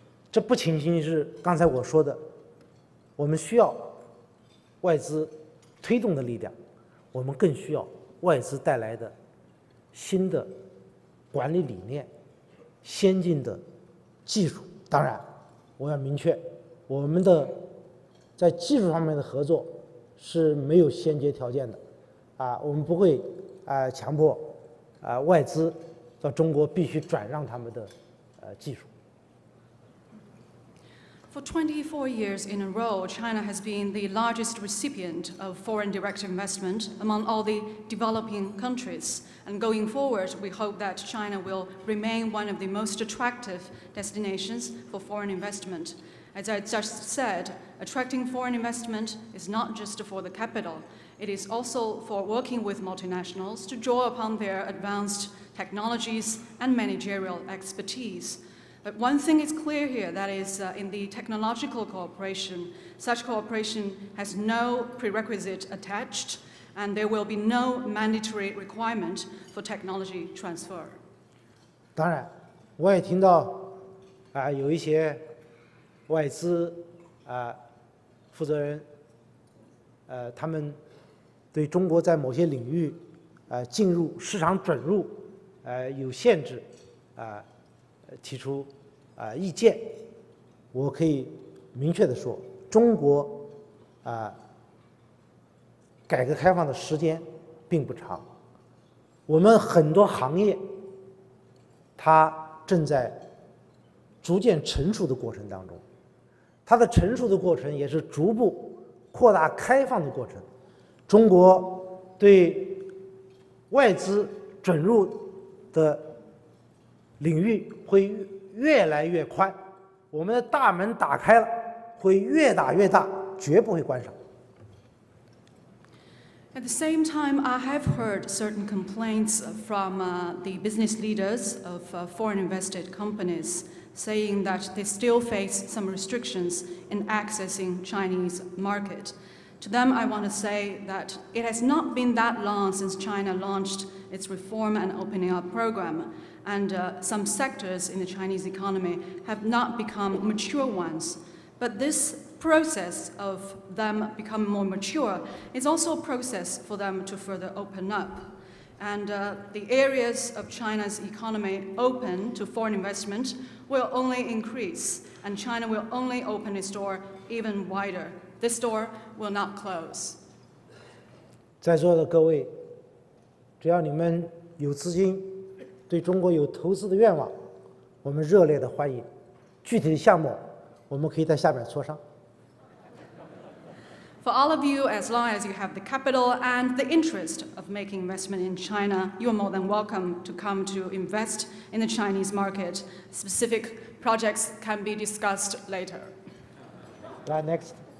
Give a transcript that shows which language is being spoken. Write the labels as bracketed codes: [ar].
[zh] 这不仅仅是刚才我说的，我们需要外资推动的力量，我们更需要外资带来的新的管理理念、先进的技术。当然，我要明确， 我们在技术方面的合作是没有先决条件的，我们不会强迫外资到中国必须转让他们的技术。 [en] For 24 years in a row, China has been the largest recipient of foreign direct investment among all the developing countries. And going forward, we hope that China will remain one of the most attractive destinations for foreign investment. As I just said, attracting foreign investment is not just for the capital. It is also for working with multinationals to draw upon their advanced technologies and managerial expertise. But one thing is clear here, that is in the technological cooperation, such cooperation has no prerequisite attached, and there will be no mandatory requirement for technology transfer. [zh] 当然，我也听到，啊，有一些外资，啊，负责人，他们对中国在某些领域，进入市场准入，有限制，啊，提出，啊，意见。我可以明确地说，中国，啊，改革开放的时间并不长，我们很多行业，它正在逐渐成熟的过程当中，它的成熟的过程也是逐步扩大开放的过程。中国对外资准入的领域会越来越宽，我们的大门打开了，会越打越大，绝不会关上。 [en] At the same time, I have heard certain complaints from the business leaders of foreign invested companies saying that they still face some restrictions in accessing Chinese market. To them, I want to say that it has not been that long since China launched its reform and opening up program, and some sectors in the Chinese economy have not become mature ones. But this process of them becoming more mature is also a process for them to further open up. And the areas of China's economy open to foreign investment will only increase, and China will only open its door even wider. This door will not close. [zh] 在座的各位，只要你们有资金，对中国有投资的愿望，我们热烈的欢迎。具体的项目，我们可以在下面磋商。 [en] For all of you, as long as you have the capital and the interest of making investment in China, you are more than welcome to come to invest in the Chinese market. Specific projects can be discussed later. Next.